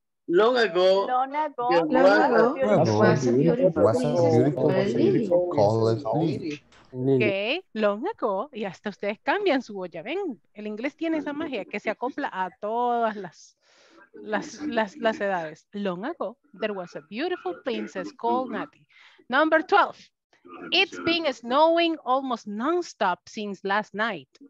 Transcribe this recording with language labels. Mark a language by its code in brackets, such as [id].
[en] Long ago, there was a beautiful princess called Lily. [es] Y hasta ustedes cambian su voz. Ya ven, el inglés tiene esa magia que se acopla a todas las edades. [en] Long ago, there was a beautiful princess called Natty. Number 12. It's been snowing almost nonstop since last night.